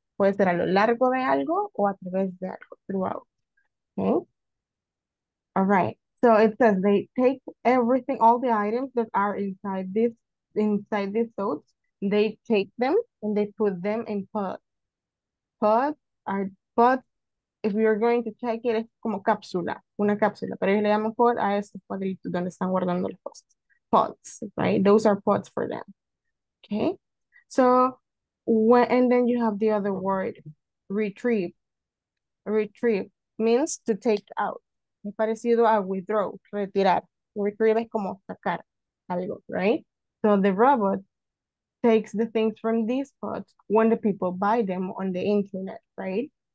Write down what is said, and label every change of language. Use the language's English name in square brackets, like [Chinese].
[Spanish] Puede ser a lo largo de algo o a través de algo, throughout, okay? [English] All right, so it says they take everything, all the items that are inside this totes, they take them and they put them in pods. [Spanish] Pods, if you're going to check it, es como cápsula, una cápsula, pero ellos le llaman pod a este cuadrito donde están guardando los pods. [English] Pods, right? Those are pods for them, okay? So when, and then you have the other word, retrieve. Retrieve means to take out. Es parecido a withdraw, retirar. Retrieve es como sacar algo, right? So the robot takes the things from these pods when the people buy them on the internet, right?